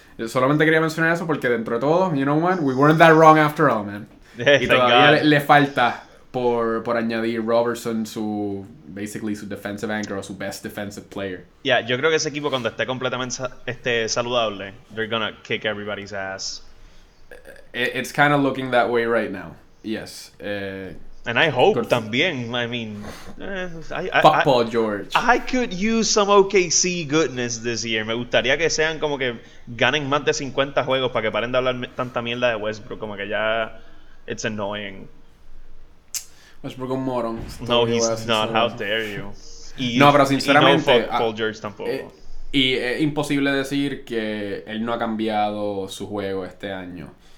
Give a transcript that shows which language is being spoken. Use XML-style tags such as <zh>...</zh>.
<es>Solamente quería mencionar eso porque dentro de todo,</es> <en>you know what, we weren't that wrong after all, man. Yeah,</en> <es>y todavía</es> <en>God.</en> <es>Le falta por añadir Robertson su defensive anchor o su</es> <en>best defensive player.</en> <es>Yeah, yo creo que ese equipo cuando esté completamente esté saludable,</es> <en>they're gonna kick everybody's ass. It's kind of looking that way right now, yes. And I hope también, I mean, Paul George. I could use some OKC goodness this year.</en> <es>Me gustaría que sean como que ganen más de 50 juegos para que paren de hablar tanta mierda de Westbrook. Como que ya,</es> <en>it's annoying.</en> <es>Westbrook un moron.</es> <en>No, he's not. How dare you?</en> <es>No, pero sinceramente, Paul George tampoco. Y es imposible decir que él no ha cambiado su juego este año.</es>